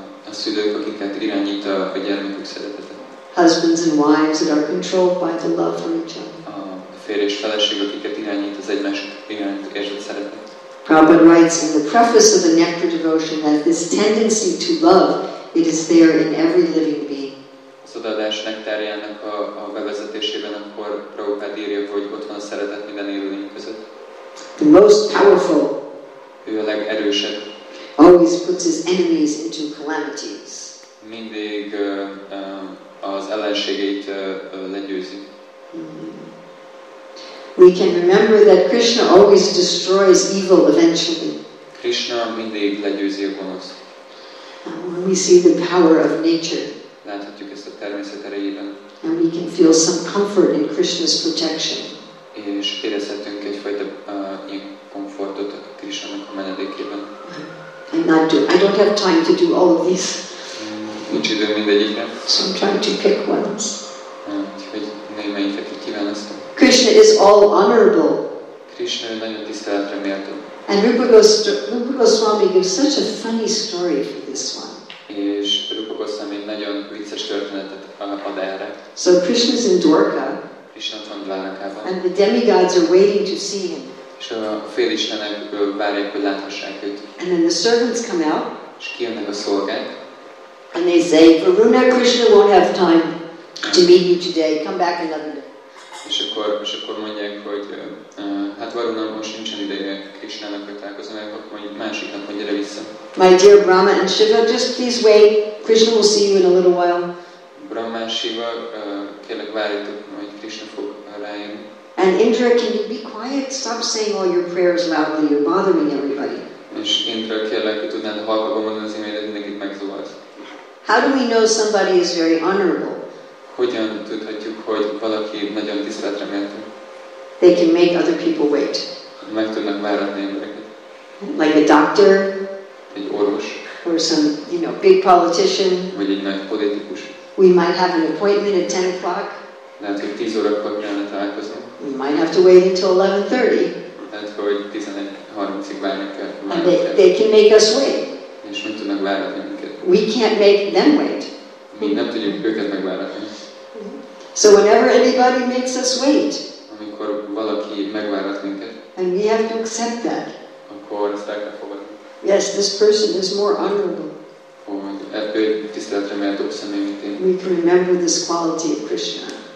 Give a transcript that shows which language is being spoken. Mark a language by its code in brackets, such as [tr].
[hu] A szülők, akiket irányít a gyermekük szeretete. [en] Husbands and wives that are controlled by the love for each other. [hu] A férj és feleség, akiket irányít az egymás iránt érzett szeretet. [en] Prabhupada writes in the preface of the Nectar Devotion that this tendency to love, it is there in every living being. [hu] Az odaadás nektárjának a bevezetésében akkor Prabhupada írja, hogy ott van a szeretet minden élőlény között. [en] The most powerful. [hu] Ő a legerősebb. [en] Always puts his enemies into calamities. [hu] Mindig az ellenségeit legyőzi. [en] We can remember that Krishna always destroys evil eventually. [hu] Krishna mindig legyőzi a gonoszt. [en] When we see the power of nature. [hu] Láthatjuk ezt a természet erejében. [en] And we can feel some comfort in Krishna's protection. [hu] És érezhetünk egyfajta komfortot a Krishna-nak a menedékében. [en] I don't have time to do all of these. [hu] Nincs időm mindegyikre. [en] So I'm trying to pick ones. [hu] Úgyhogy némelyiket kiválasztom. [en] Krishna is all honorable. [hu] Krishna nagyon tiszteletre méltó. [en] And Rupa Goswami gives such a funny story for this one. [hu] És Rupa Goswami nagyon vicces történetet ad erre. [en] So Krishna is in Dvarka. [hu] Krishna van Dvarkában. [en] And the demigods are waiting to see him. [hu] És a fél istenek várják, hogy láthassák őt. [en] And then the servants come out. [hu] És kijönnek a szolgák. [en] And they say, Varuna Krishna won't have time to meet you today. Come back another day. [hu] És akkor mondják, hogy hát Varuna most nincsen ideje Krishnának, hogy találkozom, akkor mondjuk másik nap, hogy gyere vissza. [en] My dear Brahma and Shiva, just please wait. Krishna will see you in a little while. [hu] Brahma and Shiva, kérlek várjátok, hogy Krishna fog rájönni. [en] And Indra, can you be quiet? Stop saying all your prayers loudly. You're bothering everybody. [hu] És Indra, kérlek, hogy tudnád halkabban mondani az imádat, mindenkit megzavarsz. [en] How do we know somebody is very honorable? [hu] Hogyan tudhatjuk, hogy valaki nagyon tiszteletre méltó? [en] They can make other people wait. [hu] Meg tudnak váratni embereket. [en] Like a doctor. [hu] Egy orvos. [en] Or some, you know, big politician. [hu] Vagy egy nagy politikus. [en] We might have an appointment at 10 o'clock. [hu] Lehet, hogy 10 órakor kellene találkozni. [en] We might have to wait until 11:30. [hu] Lehet, hogy 11:30-ig várni kell. [en] And they can make us wait. [hu] És meg tudnak váratni minket. [en] We can't make them wait. [hu] Mi nem tudjuk őket megváratni. [en] So whenever anybody makes us wait. [hu] Amikor valaki megvárat minket. [en] And we have to accept that. [hu] Akkor ezt el kell fogadni. [en] Yes, this person is more honorable. [hu] Ő tiszteletre méltóbb személy, mint én. [en] We can remember this quality of Krishna.